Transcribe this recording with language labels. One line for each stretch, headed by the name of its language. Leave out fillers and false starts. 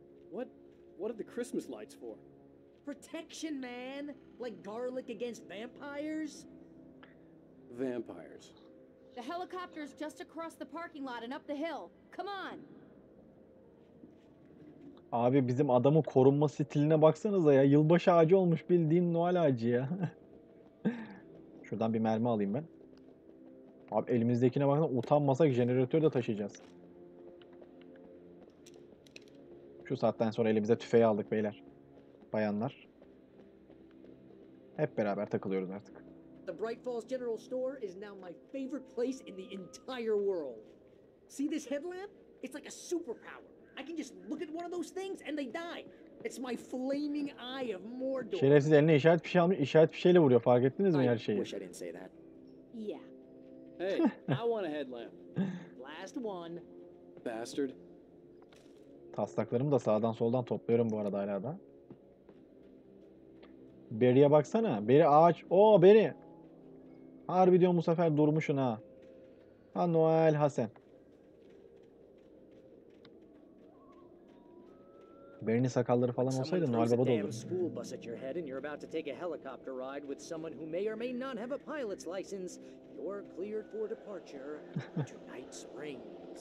English: What are the Christmas lights for? Protection, man. Like garlic against vampires. Vampires. The helicopter's just across the parking lot and up the hill. Come on.
Turkish: Abi bizim adamın korunma stiline baksanıza ya. Yılbaşı ağacı olmuş bildiğin Noel ağacı ya. Şuradan bir mermi alayım ben. Abi elimizdekine bakın, utanmasak jeneratör de taşıyacağız. Şu saatten sonra elimize tüfeği aldık beyler. Bayanlar. Hep beraber takılıyoruz artık.
English: The Bright Falls General Store is now my favorite place in the entire world. See this headlamp? It's like a superpower. I can just look at one of those things and they die. It's my flaming eye of Mordor.
Turkish: Şerefsiz eline işaret fişi almış, işaret fişiyle vuruyor. Fark ettiniz mi her şeyi?
English: I wish I didn't say that. Yeah. Hey, I want a headlamp. Last one. Bastard.
Turkish: Taslaklarımı da sağdan soldan topluyorum bu arada hala da. Barry'e baksana. Barry ağaç. Oo Barry. Harbi diyorum bu sefer durmuşsun ha. Ha Noel Hasan. Barry'nin sakalları falan olsaydı Noel Baba da olurdu.
English: School bus at your head and you're about to take a helicopter ride with someone who may or may not have a pilot's license. You're cleared for departure to Night Springs.